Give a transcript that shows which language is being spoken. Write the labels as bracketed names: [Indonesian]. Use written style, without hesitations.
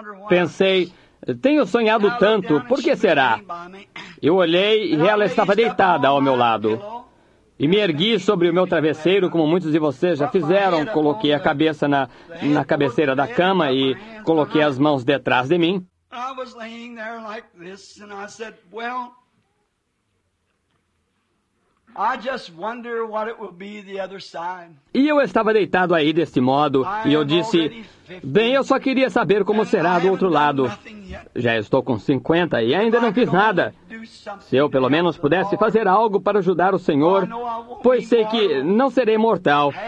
[Portuguese] Pensei, tenho sonhado tanto, por que será? Eu olhei e ela estava deitada ao meu lado. E me ergui sobre o meu travesseiro, como muitos de vocês já fizeram. Coloquei a cabeça na cabeceira da cama e coloquei as mãos detrás de mim. [English] I was laying there like this, and I said, well, I just wonder what it will be the other side. [Portuguese] E eu estava deitado aí deste modo, e eu disse, bem, eu só queria saber como será do outro lado. Já estou com 50 e ainda não fiz nada. Se eu pelo menos pudesse fazer algo para ajudar o Senhor, pois sei que não serei mortal.